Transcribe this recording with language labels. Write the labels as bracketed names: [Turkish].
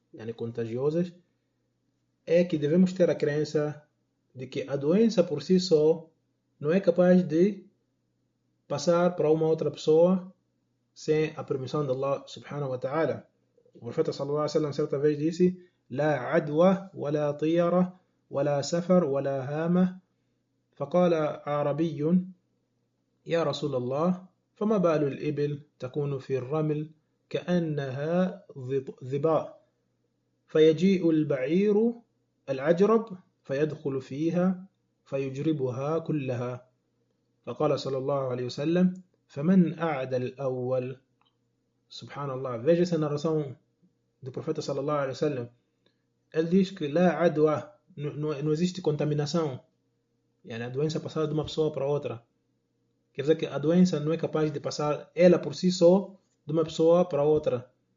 [Portuguese] yani contagiosas, é que devemos ter a crença de que a doença por si só não é capaz de passar para uma outra pessoa sem a permissão de Allah subhanahu wa ta'ala. O profeta sallallahu alaihi wa sallam certa vez disse: [Arabic] لا عدوى ولا طيرة ولا سفر ولا هامة. فقال عربي: يا رسول الله، فما بال الإبل تكون في الرمل كأنها ظباء، فيجيء البعير العجرب فيدخل فيها فيجربها كلها. فقال صلى الله عليه وسلم: فمن أعدى الأول. سبحان الله. [Portuguese] Veja essa narração do profeta صلى الله عليه وسلم. Ele diz que lá adwa, não existe contaminação. Yani a doença passar de uma pessoa para outra. Quer dizer que a doença não é capaz de passar ela por si só de uma pessoa para outra.